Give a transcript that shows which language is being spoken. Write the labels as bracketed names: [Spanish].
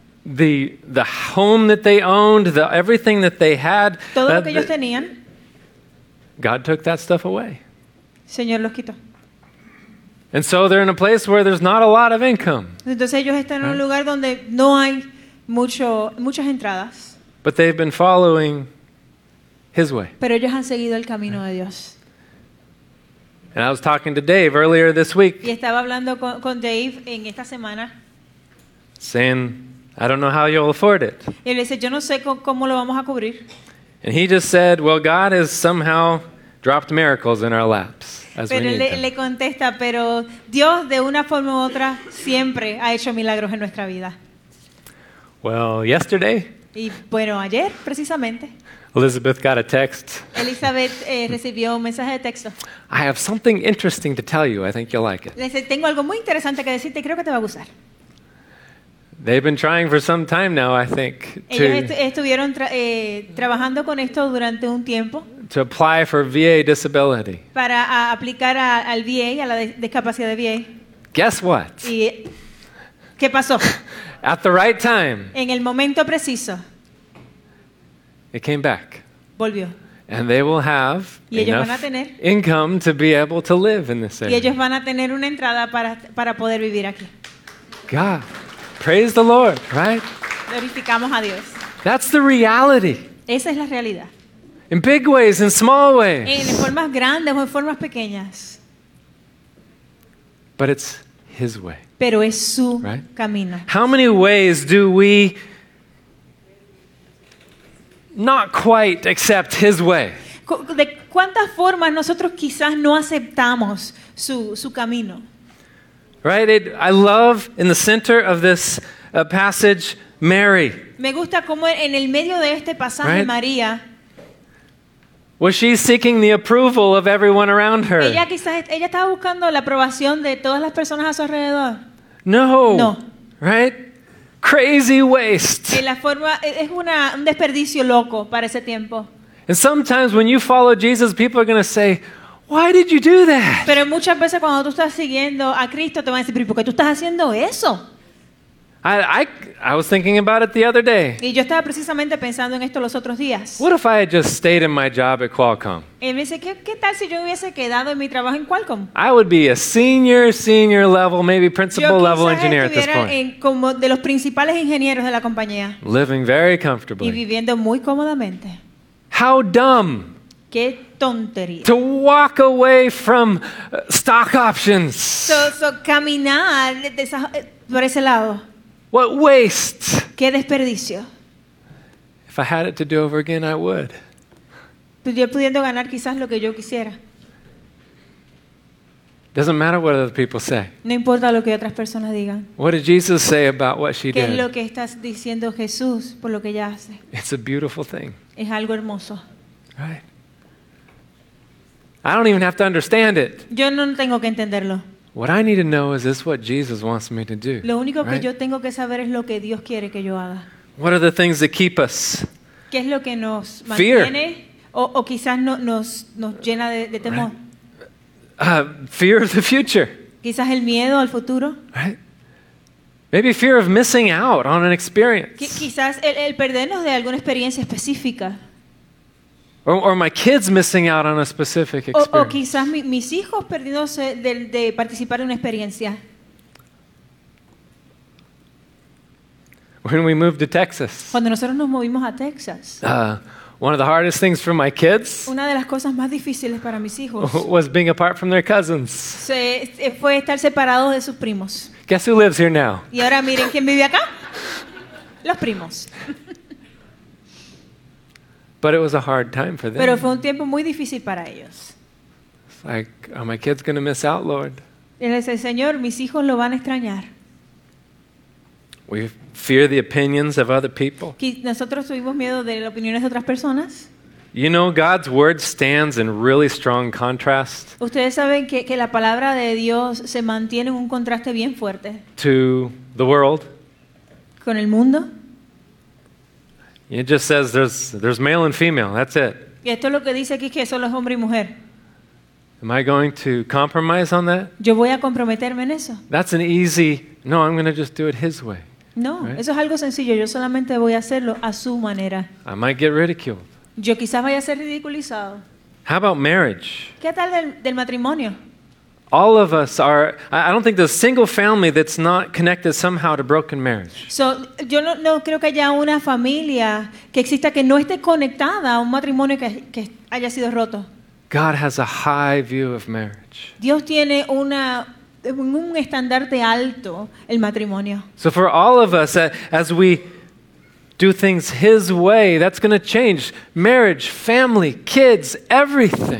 [English] The home that they owned, the everything that they had. [Spanish] Todo lo que ellos tenían. [English] God took that stuff away. [Spanish] Señor los quitó. [English] And so they're in a place where there's not a lot of income. [Spanish] Entonces ellos están [English] right? [Spanish] En un lugar donde no hay muchas entradas. [English] But they've been following his way. [Spanish] Pero ellos han seguido el camino [English] right? [Spanish] De Dios. [English] And I was talking to Dave earlier this week. [Spanish] Y estaba hablando con Dave en esta semana. [English] Saying, "I don't know how you'll afford it." [Spanish] Y él dice, "Yo no sé cómo lo vamos a cubrir." [English] And he just said, "Well, God has somehow dropped miracles in our laps." [Spanish] Pero le contesta, pero Dios de una forma u otra siempre ha hecho milagros en nuestra vida. [English] Well, yesterday. [Spanish] Y bueno, ayer precisamente. [English] Elizabeth got a text. [Spanish] Elizabeth recibió un mensaje de texto. [English] I have something interesting to tell you. I think you'll like it. [Spanish] Le dice, tengo algo muy interesante que decirte. Creo que te va a gustar. [English] They've been trying for some time now, I think. [Spanish] Ellos estuvieron trabajando con esto durante un tiempo. [English] To apply for VA disability. [Spanish] Para aplicar al VA, a la discapacidad de VA. [English] Guess what? [Spanish] ¿Y qué pasó? [English] At the right time. [Spanish] En el momento preciso. [English] It came back. [Spanish] Volvió. [English] And they will have income to be able to live in this area. [Spanish] Y ellos van a tener una entrada para poder vivir aquí. [English] God. Praise the Lord, right? [Spanish] Glorificamos a Dios. [English] That's the reality. [Spanish] Esa es la realidad. [English] In big ways, in small ways. [Spanish] En formas grandes o en formas pequeñas. [English] But it's His way. [Spanish] Pero es su [English] right? [Spanish] camino. [English] How many ways do we not quite accept His way? [Spanish] ¿De cuántas formas nosotros quizás no aceptamos su camino? [English] Right, I love in the center of this passage, Mary. [Spanish] Me gusta cómo en el medio de este pasaje [English] right? [Spanish] María. [English] Was she seeking the approval of everyone around her? [Spanish] Ella estaba buscando la aprobación de todas las personas a su alrededor. [English] No. [Spanish] No. [English] Right? Crazy waste. [Spanish] En la forma es un desperdicio loco para ese tiempo. [English] And sometimes when you follow Jesus, people are going to say, why did you do that? [Spanish] Pero muchas veces cuando tú estás siguiendo a Cristo te van a decir, ¿por qué tú estás haciendo eso? [English] I was thinking about it the other day. [Spanish] Y yo estaba precisamente pensando en esto los otros días. [English] What if I had just stayed in my job at Qualcomm? [Spanish] Y me dice, ¿qué tal si yo hubiese quedado en mi trabajo en Qualcomm? [English] I would be a senior level, maybe principal [Spanish] yo [English] level engineer at this point. [Spanish] Yo quizás estuviera como de los principales ingenieros de la compañía. [English] Living very comfortably. [Spanish] Y viviendo muy cómodamente. [English] How dumb. [Spanish] Qué tontería. [English] To walk away from stock options. [Spanish] So caminar por ese lado. [English] What waste. [Spanish] Qué desperdicio. [English] If I had it to do over again, I would. [Spanish] Yo pudiendo ganar quizás lo que yo quisiera. [English] Doesn't matter what other people say. [Spanish] No importa lo que otras personas digan. [English] What did Jesus say about what she [Spanish] ¿Qué [English] did? [Spanish] Es lo que está diciendo Jesús por lo que ella hace. [English] It's a beautiful thing. [Spanish] Es algo hermoso. [English] Right. I don't even have to understand it. [Spanish] Yo no tengo que entenderlo. [English] What I need to know is this: what Jesus wants me to do. [Spanish] Lo único que yo tengo que saber es lo que Dios quiere que yo haga. [English] What are the things that keep us? [Spanish] ¿Qué es lo que nos mantiene? [English] Fear. [Spanish] O quizás nos llena de temor. [English] Right. Fear of the future. [Spanish] Quizás el miedo al futuro. [English] Right. Maybe fear of missing out on an experience. [Spanish] Quizás el perdernos de alguna experiencia específica. [English] Or my kids missing out on a specific experience. [Spanish] O quizás mis hijos perdiéndose de participar en una experiencia. [English] When we moved to Texas. [Spanish] Cuando nosotros nos movimos a Texas. [English] One of the hardest things for my kids. [Spanish] Una de las cosas más difíciles para mis hijos. [English] Was being apart from their cousins. [Spanish] Fue estar separados de sus primos. [English] Guess who lives here now? [Spanish] Y ahora miren quién vive acá. Los primos. [English] But it was a hard time for them. [Spanish] Pero fue un tiempo muy difícil para ellos. [English] It's like, are my kids going to miss out, Lord? [Spanish] Y les dice, Señor, mis hijos lo van a extrañar. [English] We fear the opinions of other people. [Spanish] Nosotros tuvimos miedo de las opiniones de otras personas. [English] You know, God's word stands in really strong contrast. [Spanish] Ustedes saben que la palabra de Dios se mantiene en un contraste bien fuerte. [English] To the world. [Spanish] Con el mundo. [English] It just says there's male and female. That's it. [Spanish] Y esto es lo que dice aquí que solo es hombre y mujer. [English] Am I going to compromise on that? [Spanish] Yo voy a comprometerme en eso. [English] That's an easy. No, I'm going to just do it His way. [Spanish] No, [English] right? [Spanish] Eso es algo sencillo. Yo solamente voy a hacerlo a su manera. [English] I might get ridiculed. [Spanish] Yo quizás vaya a ser ridiculizado. [English] How about marriage? [Spanish] ¿Qué tal del matrimonio? [English] All of us are. I don't think there's a single family that's not connected somehow to broken marriage. So, [Spanish] yo no creo que haya una familia que exista que no esté conectada a un matrimonio que haya sido roto. [English] God has a high view of marriage. [Spanish] Dios tiene un estandarte alto el matrimonio. [English] So for all of us, as we do things His way, that's going to change marriage, family, kids, everything.